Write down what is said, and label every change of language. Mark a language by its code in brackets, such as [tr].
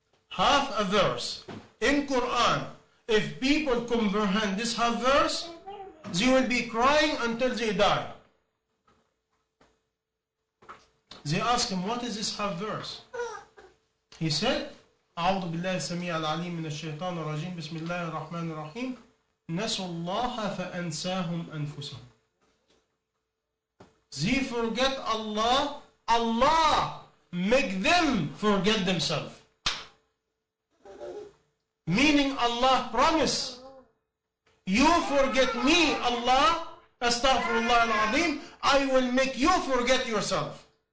[en] Half a verse in Quran, if people comprehend this half verse, they will be crying until they die. They ask him, what is this half verse? He said, [ar] أعوذ بالله السميع العليم من الشيطان الرجيم. بسم الله الرحمن الرحيم. نسوا الله فأنساهم أنفسهم. [en] They forget Allah. Allah make them forget themselves. Meaning Allah promise, you forget me, Allah, astaghfirullah al-azim, I will make you forget yourself.